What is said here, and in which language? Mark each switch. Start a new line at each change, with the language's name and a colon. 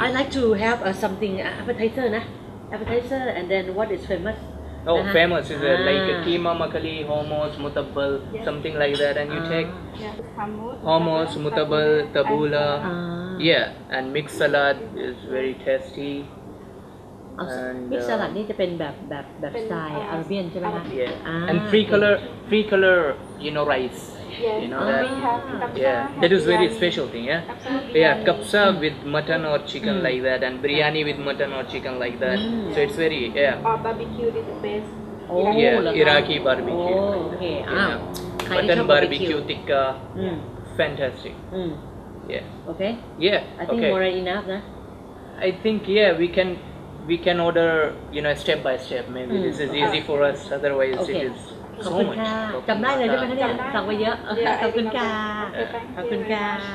English: I like to have something appetizer, na appetizer, and then what is famous? Oh, uh-huh. famous is like keema makali, hummus, mutabbal, yes. something like that. And you take hummus, mutabbal, tabula, yeah, and mixed salad is very tasty.
Thai: มิกซ์สลัดนี่จะเป็นแบบสไตล์อาราเบียนใช่ไหมคะ
English: and three color you know rice yes. you know that yeah that is very special thing yeah yeah kapsa with mutton or chicken like that and biryani with mutton or chicken like that so it's very yeah or barbecue is the best oh yeah Iraqi barbecue okay mutton barbecue tikka fantastic yeah okay yeah I think more than enough I think yeah we can order you know step by step maybe this is easy for us otherwise it is so much
Thai: ขอบคุณค่ะจำได้เลยใช่ไหมคะเนี่ยสั่งไปเยอะขอบคุณค่ะขอบคุณค่ะ